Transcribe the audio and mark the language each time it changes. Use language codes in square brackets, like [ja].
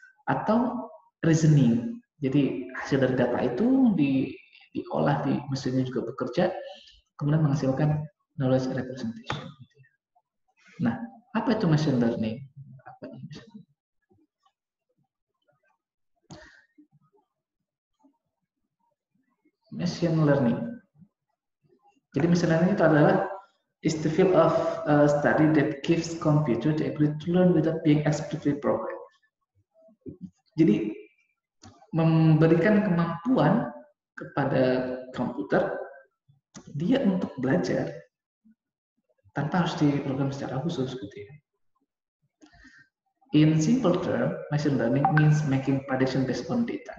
[id] Atau reasoning, jadi hasil dari data itu diolah, di mesinnya juga bekerja, kemudian menghasilkan knowledge representation. Nah, apa itu machine learning? Apa ini? Machine learning. Jadi machine learning itu adalah [en] is the field of study that gives computer the ability to learn without being explicitly programmed. [id] Jadi memberikan kemampuan kepada komputer dia untuk belajar tanpa harus diprogram secara khusus gitu ya. [en] In simple term, machine learning means making prediction based on data.